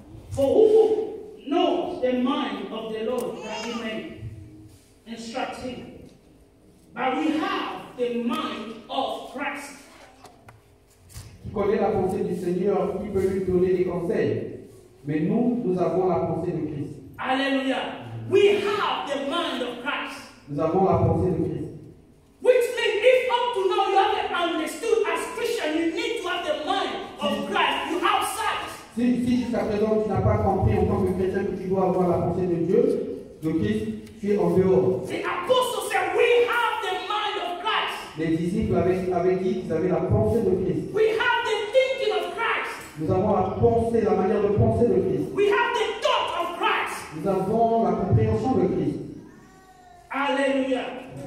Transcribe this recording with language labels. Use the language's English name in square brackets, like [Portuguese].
[English] For who knows the mind of the Lord that he may instruct him? But we have the mind of Christ. [French] Qui connaît la pensée du Seigneur, qui peut lui donner des conseils? Mais nous avons la pensée de Christ. [English] Alléluia. We have the mind of Christ. [French] Nous avons la pensée de Christ. [English] Which means if up to now you haven't understood as Christian, you need to have the mind of Christ. You have sight. [French] Si jusqu'à présent tu n'as pas compris en tant que chrétien que tu dois avoir la pensée de Dieu, de Christ, tu es en dehors. [English] The apostle said, we have the mind of Christ. [French] Les disciples avaient dit qu'ils avaient la pensée de Christ. [English] We have the thinking of Christ. [French] Nous avons la pensée, la manière de penser de Christ. [English] We have the thought of Christ. [French] Nous avons la compréhension de Christ. Alléluia.